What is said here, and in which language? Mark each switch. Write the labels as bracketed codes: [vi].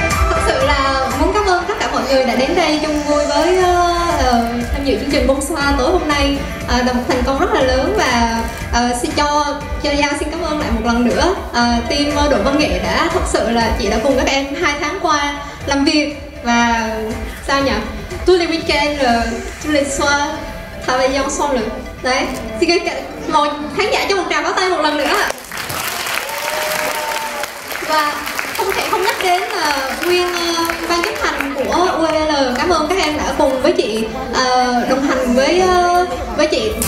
[vi] Thật sự là muốn cảm ơn tất cả mọi người đã đến đây chung vui với tham dự chương trình Bonsoir tối hôm nay là một thành công rất là lớn. Và xin cho Giao xin cảm ơn lại một lần nữa team đội văn nghệ đã thật sự là chị đã cùng các em 2 tháng qua làm việc và sao nhỉ? [fr] Tous les week-ends, tous les soirs, travaillons sans le. [vi] Đấy, xin các mọi khán giả cho một tràng pháo tay một lần nữa. Và không thể không nhắc đến nguyên ban chấp hành của UL. Cảm ơn các em đã cùng với chị đồng hành với chị.